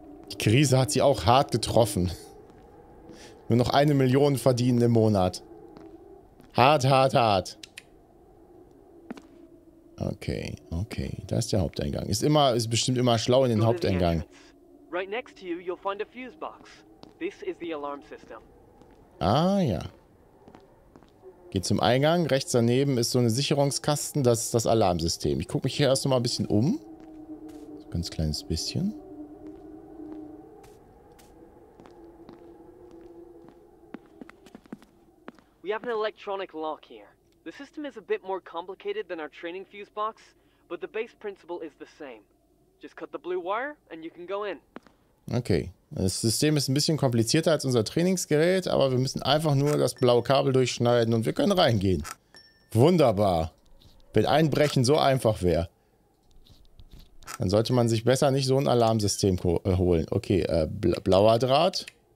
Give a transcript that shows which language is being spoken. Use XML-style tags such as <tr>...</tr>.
<de>Die Krise hat sie auch hart getroffen. Nur noch 1 Million verdienen im Monat. Hart, hart, hart. Okay, okay. Da ist der Haupteingang. Ist bestimmt immer schlau in den Haupteingang.</de> <en>Right next to you, you'll find a fuse box. This is the alarm system.</en> <de>Ah, ja. Geht zum Eingang. Rechts daneben ist so eine Sicherungskasten. Das ist das Alarmsystem. Ich gucke mich hier erst noch mal ein bisschen um. So ein ganz kleines bisschen.</de> <en>We have an electronic lock here. The system is a bit more complicated than our training fuse box, but the base principle is the same. Just cut the blue wire and you can go in. Okay.</en> <de>Das System ist ein bisschen komplizierter als unser Trainingsgerät, aber wir müssen einfach nur das blaue Kabel durchschneiden und wir können reingehen. Wunderbar. Wenn Einbrechen so einfach wäre, dann sollte man sich besser nicht so ein Alarmsystem holen. Okay, blauer Draht.</de>